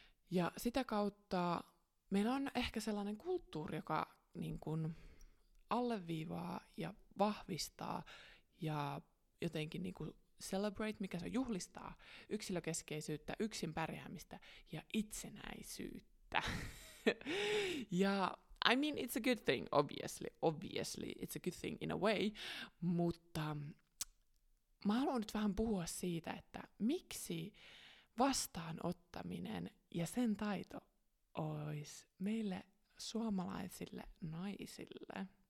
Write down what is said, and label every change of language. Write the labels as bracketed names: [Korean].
[Finnish] Ja sitä kautta meillä on ehkä sellainen kulttuuri, joka niin kuin alleviivaa ja vahvistaa ja jotenkin niin kuin celebrate, mikä se on, juhlistaa yksilökeskeisyyttä, yksin pärjäämistä ja itsenäisyyttä. [English] Ja I mean, it's a good thing, obviously. Obviously, it's a good thing in a way. [Finnish] Mutta mä haluan nyt vähän puhua siitä, että miksi vastaanottaminen ja sen taito olisi meille suomalaisille naisille.